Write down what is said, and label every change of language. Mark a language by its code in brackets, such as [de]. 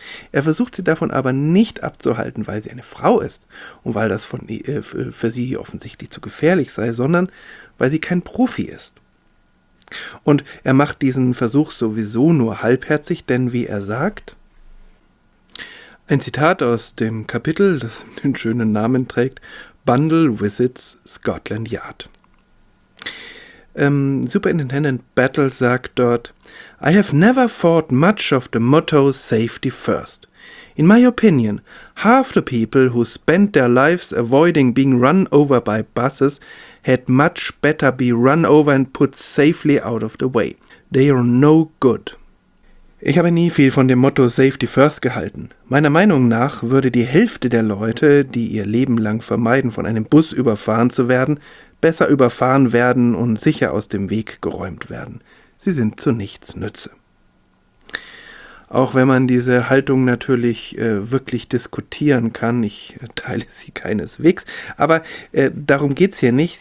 [de] Er versucht sie davon aber nicht abzuhalten, weil sie eine Frau ist und weil das für sie offensichtlich zu gefährlich sei, sondern weil sie kein Profi ist. Und er macht diesen Versuch sowieso nur halbherzig, denn wie er sagt, ein Zitat aus dem Kapitel, das den schönen Namen trägt, [en] Bundle visits Scotland Yard. Superintendent Battle sagt dort, I have never thought much of the motto safety first. In my opinion, half the people who spend their lives avoiding being run over by buses had much better be run over and put safely out of the way. They are no good. [de] Ich habe nie viel von dem Motto Safety First gehalten. Meiner Meinung nach würde die Hälfte der Leute, die ihr Leben lang vermeiden, von einem Bus überfahren zu werden, besser überfahren werden und sicher aus dem Weg geräumt werden. Sie sind zu nichts Nütze. Auch wenn man diese Haltung natürlich wirklich diskutieren kann, ich teile sie keineswegs, aber darum geht's hier nicht.